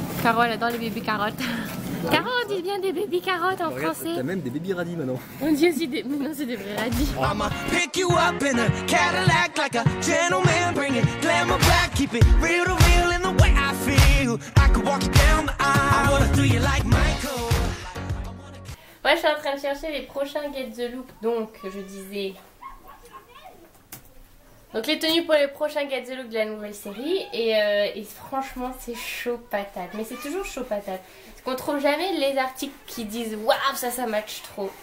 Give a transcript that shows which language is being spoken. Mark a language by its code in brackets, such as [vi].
[fr] Caro, elle adore les baby carottes. Caro, on dit bien des baby carottes en français. T'as même des baby radis maintenant. On dit aussi des... Mais non, c'est des vrais radis. [en] I'ma pick you up in a Cadillac like a gentleman. Bring it glamour back. Keep it real to real in the way I feel. I could walk you down the aisle. I wanna do you like Michael. [fr] Moi, je suis en train de chercher les prochains Get the Look. Donc, je disais... Donc, les tenues pour les prochains Get the Look de la nouvelle série. Et franchement, c'est chaud patate. Mais c'est toujours chaud patate. Parce qu'on trouve jamais les articles qui disent « Waouh, ça match trop !»